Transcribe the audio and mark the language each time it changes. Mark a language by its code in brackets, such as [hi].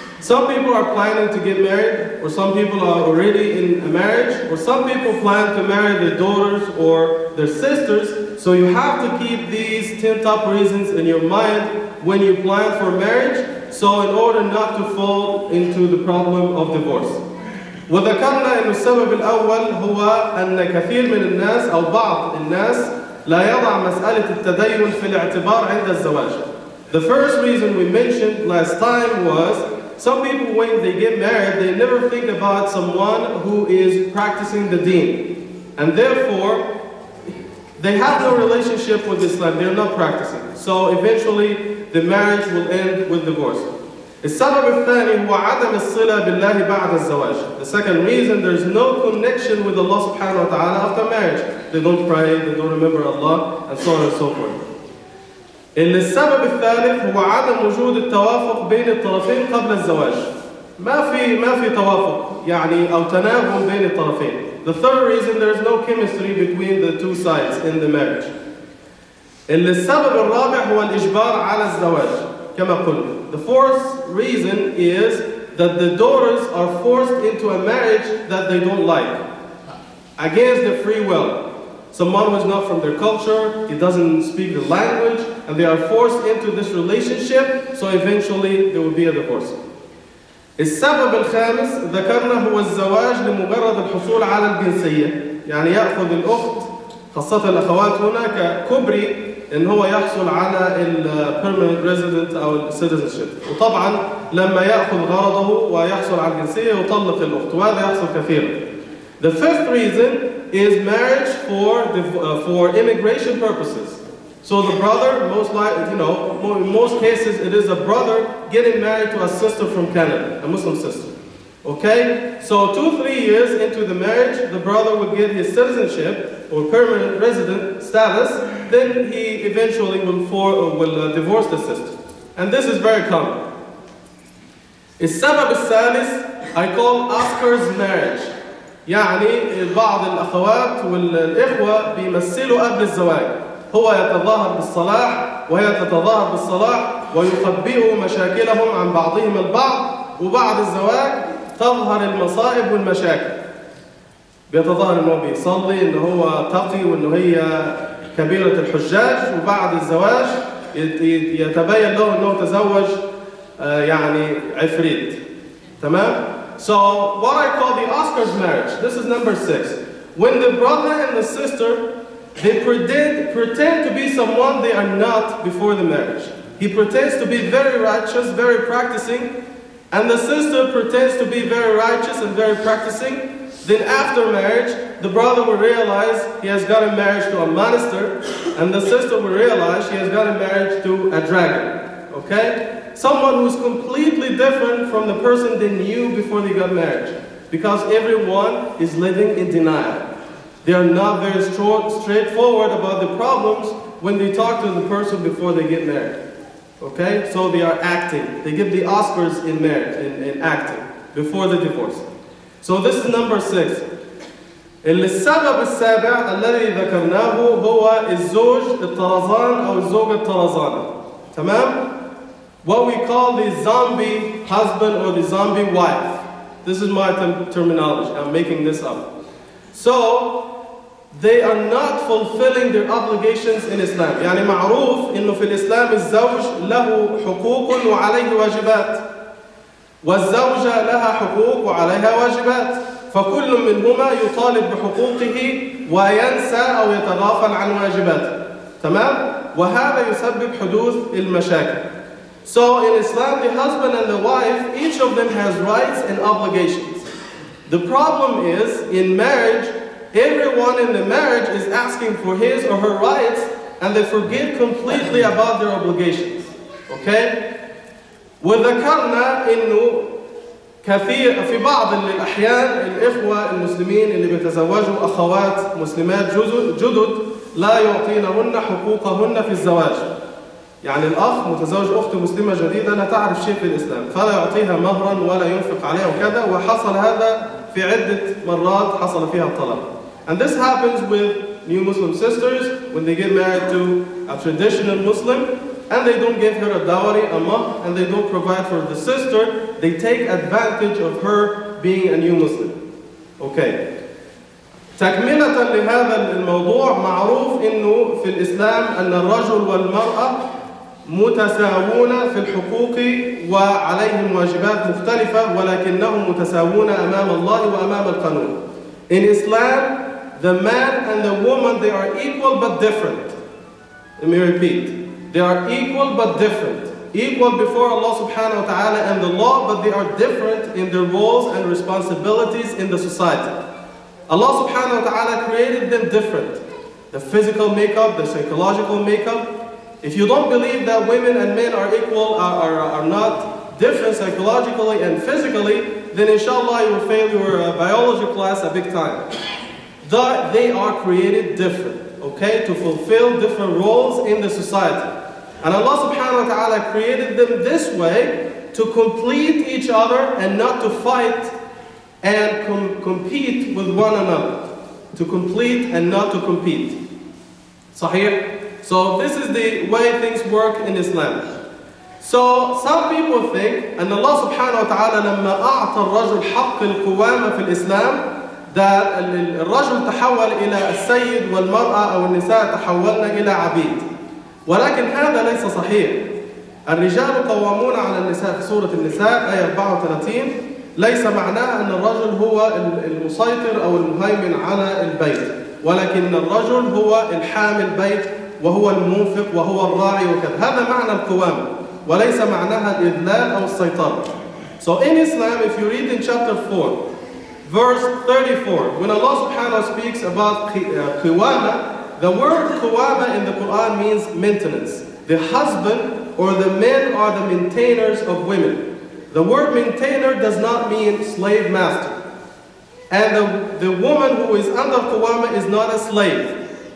[en] Some people are planning to get married, or some people are already in a marriage, or some people plan to marry their daughters or their sisters. So you have to keep these 10 top reasons in your mind when you plan for marriage, so in order not to fall into the problem of divorce. [ar] وذكرنا أن السبب الأول هو أن كثير من الناس أو بعض الناس لا يضع مسألة التدين في الاعتبار عند الزواج. [en] The first reason we mentioned last time was some people, when they get married, they never think about someone who is practicing the deen. And therefore, they have no relationship with Islam, they're not practicing. So eventually, the marriage will end with divorce. [ar] السبب الثاني هو عدم الصلة بالله بعد الزواج. [en] The second reason, there's no connection with Allah subhanahu wa ta'ala after marriage. They don't pray, they don't remember Allah, and so on and so forth. [ar] السبب الثالث هو عدم وجود التوافق بين الطرفين قبل الزواج. ما في توافق يعني أو تناغم بين الطرفين. [en] The third reason, there is no chemistry between the two sides in the marriage. [ar] السبب الرابع هو الإجبار على الزواج كما قلنا. [en] The fourth reason is that the daughters are forced into a marriage that they don't like, against their free will. Someone who is not from their culture, he doesn't speak the language, and they are forced into this relationship, so eventually there will be a divorce. [ar] السبب الخامس ذكرنا هو الزواج لمجرد الحصول على الجنسية. يعني يأخذ الأخت، خاصة الأخوات هناك كبري، إن هو يحصل على الـ permanent resident أو citizenship. وطبعا لما يأخذ غرضه ويحصل على الجنسية يطلق الأخت، وهذا يحصل كثيرا. [en] The fifth reason is marriage for immigration purposes. So the brother, most likely, you know, in most cases, it is a brother getting married to a sister from Canada, a Muslim sister. Okay? So 2-3 years into the marriage, the brother would get his citizenship or permanent resident status. Then he eventually will divorce the sister. And this is very common. [ar] السبب الثالث, [en] I call Oscar's marriage. [ar] يعني بعض الأخوات والإخوة بيمثلوا قبل الزواج. هو يتظاهر بالصلاح وهي تتظاهر بالصلاح ويخبئوا مشاكلهم عن بعضهم البعض، وبعد الزواج تظهر المصائب والمشاكل. بيتظاهر إنه بيصلي، إنه هو تقي، وإنه هي كبيرة الحجاج، وبعد الزواج يتبين له إنه تزوج يعني عفريت. تمام؟ [en] So what I call the Oscar's marriage, this is number 6. When the brother and the sister, they pretend to be someone they are not before the marriage. He He pretends to be very righteous, very practicing, and the sister pretends to be very righteous and very practicing. Then after marriage, the brother will realize he has gotten married to a monster, and the sister will realize she has gotten married to a dragon. Okay? Someone who's completely different from the person they knew before they got married. Because everyone is living in denial. They are not very straightforward about the problems when they talk to the person before they get married. Okay? So they are acting. They give the Oscars in marriage, in acting, before the divorce. So this is number six. [ar] السبب السابع الذي ذكرناه هو الزوج الطرزان أو الزوجة الطرزانة. تمام؟ [en] What we call the zombie husband or the zombie wife. This is my terminology. I'm making this up. So, they are not fulfilling their obligations in Islam. [ar] يعني معروف إنه في الإسلام الزوج له حقوق وعليه واجبات. والزوجة لها حقوق وعليها واجبات. فكل منهما يطالب بحقوقه وينسى أو يتغافل عن واجباته. تمام؟ وهذا يسبب حدوث المشاكل. [en] So in Islam, the husband and the wife, each of them has rights and obligations. The problem is, in marriage, everyone in the marriage is asking for his or her rights, and they forget completely about their obligations. Okay? [ar] وذكرنا إنه كثير في بعض الأحيان الإخوة المسلمين اللي بيتزوجوا أخوات مسلمات جدد لا يعطينهن حقوقهن في الزواج. يعني الأخ متزوج أخت مسلمة جديدة لا تعرف شيء في الإسلام فلا يعطيها مهرا ولا ينفق عليها وكذا وحصل هذا في عدة مرات حصل فيها الطلاق. [en] And this happens with new Muslim sisters when they get married to a traditional Muslim and they don't give her a dowry, a mahr, and they don't provide for the sister. They take advantage of her being a new Muslim. Okay. [ar] تكملة لهذا الموضوع معروف إنه في الإسلام أن الرجل والمرأة متساوون في الحقوق وعليهم واجبات مختلفة ولكنهم متساوون أمام الله وأمام القانون. [en] In Islam, the man and the woman, they are equal but different. Let me repeat. They are equal but different. Equal before Allah subhanahu wa ta'ala and the law, but they are different in their roles and responsibilities in the society. Allah subhanahu wa ta'ala created them different. The physical makeup, the psychological makeup. If you don't believe that women and men are equal, are not different psychologically and physically, then inshallah you will fail your biology class a big time. That they are created different, okay, to fulfill different roles in the society. And Allah subhanahu wa ta'ala created them this way to complete each other and not to fight and compete with one another. To complete and not to compete. Sahih? So this is the way things work in Islam. So some people think, and Allah subhanahu wa ta'ala [ar] لما أعطى الرجل حق القوامة في الإسلام [en] that [ar] الرجل تحول إلى السيد والمرأة أو النساء تحولن إلى عبيد. ولكن هذا ليس صحيح. الرجال قوامون على النساء في سورة النساء آية 34 ليس معناه أن الرجل هو المسيطر أو المهيمن على البيت ولكن الرجل هو الحامل البيت وهو المنفق وهو الراعي وكذا. هذا معنى القوامة وليس معناها الإذلال أو السيطرة. [en] So in Islam, if you read in chapter 4 verse 34, when Allah subhanahu speaks about qiwama, the word qiwama in the Quran means maintenance. The husband or the men are the maintainers of women. The word maintainer does not mean slave master. And the woman who is under qiwama is not a slave.